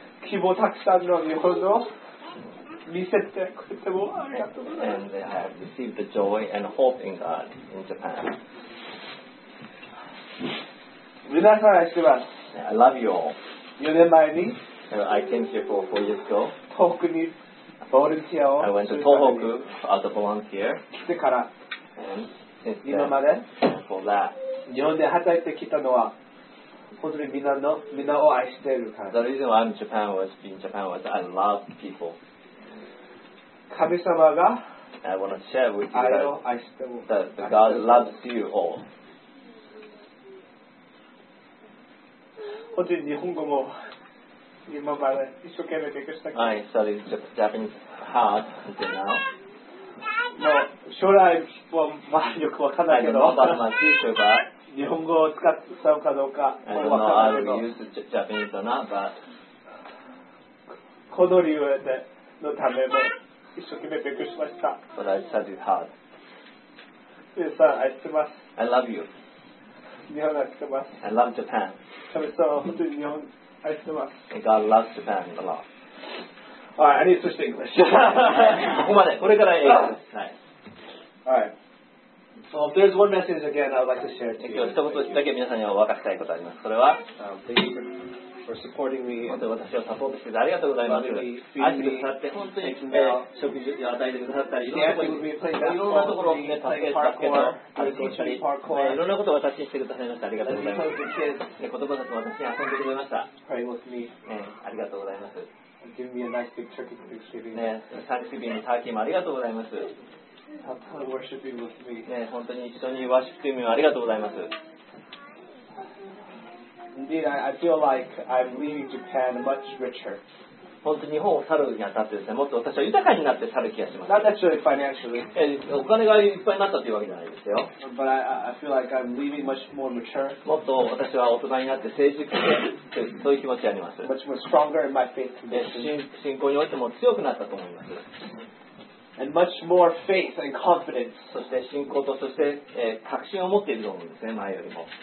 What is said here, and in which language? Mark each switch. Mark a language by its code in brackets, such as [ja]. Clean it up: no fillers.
[ja] 希望たくさんの日本を見せてくれてもありがとうございます。 [en] And they have received the joy and hope in God in Japan. [ja] 皆さん愛してます。 [en] I love you all. [ja] 4年前に、 [en] I came here for 4 years ago. [ja] 東北にボランティアを。 [en] I went to 東北 as a volunteer. [ja] 来てから、 [en] and [ja] 今まで、 [en] for that. [ja] 日本で働いてきたのは、本当にみんなの、みんなを愛しているから。 [en] The reason why I'm Japan was being Japan was I love people. [ja] 神様が、 [en] I want to share with you that God loves you all. [ja] 本当に日本語も今まで一生懸命勉強したけど。 [en] I studied Japanese hard until now. [ja] もう将来はまあよくわかんないけど。 [en] I don't know about my future, but [ja] 日本語を使うかどうか。 [en] I don't know how to use Japanese or not, but [ja] この理由でのためも一生懸命勉強しました。 [en] But I studied hard. [ja] 皆さん愛してます。 [en] I love you. [ja] 日本愛してます。 [en] I love Japan. [ja] 神様本当に日本愛してます。 [en] And God loves Japan a lot. Alright, I need to switch to English. [ja] ここまで、これから英語です。 [en] Alright. So, if there's one message again, I would like to share it to you. [ja] 今日一言だけ皆さんにお分かしたいことがあります。それは、 [en] Thank you for supporting me. [ja] 本当に私をサポートしてありがとうございます。愛してくださって、本当に食事を与えてくださったり、いろんなところを助けたり、歩きしたり、いろんなことを私にしてくださいました。ありがとうございます。子供たちも私に遊んでくれました。 [en] Pray with me. [ja] ありがとうございます。 [en] Give me a nice big turkey for Thanksgiving. [ja] Thanksgiving のターキーもありがとうございます。 [en] Worshiping with me. [ja] 本当に一緒にワーシップもありがとうございます。 [en] Indeed, I feel like I'm leaving Japan much richer. [ja] 本当に日本を去るにあたってですね、もっと私は豊かになって去る気がします。 [en] Not actually financially. [ja] お金がいっぱいになったというわけじゃないですよ。 [en] But I feel like I'm leaving much more mature. [ja] もっと私は大人になって成熟して、そういう気持ちがあります。 [en] Much more stronger in my faith condition. [ja] 信仰においても強くなったと思います。 [en] And much more faith and confidence. [ja] そして信仰と、そして、確信を持っていると思うんですね、前よりも。